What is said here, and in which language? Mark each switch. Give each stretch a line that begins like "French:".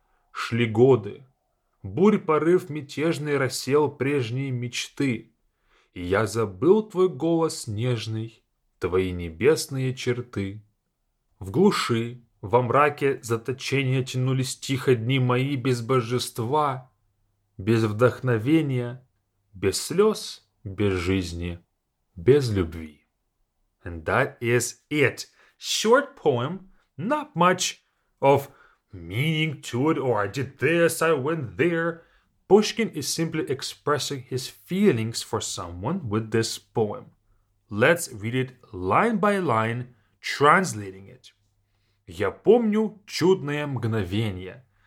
Russian: Шли годы, бурь порыв мятежный рассел прежние мечты, и я забыл твой голос нежный, твои небесные черты. В глуши, во мраке заточения тянулись тихо дни мои без божества, без вдохновения, без слез, без жизни, без любви.
English: And that is it. Short poem, not much of meaning to it, or I did this, I went there. Pushkin is simply expressing his feelings for someone with this poem. Let's read it line by line, translating it.
Russian: Я помню чудное мгновение.